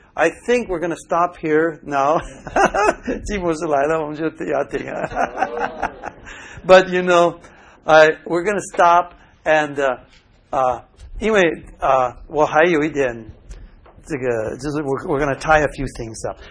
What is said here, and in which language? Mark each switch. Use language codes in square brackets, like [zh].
[en] I think we're going to stop here now. [zh] 季博士来了，我们就要停了。 [en] But you know, we're going to stop and [zh] 因为我还有一点这个就是 [en] we're going to tie a few things up.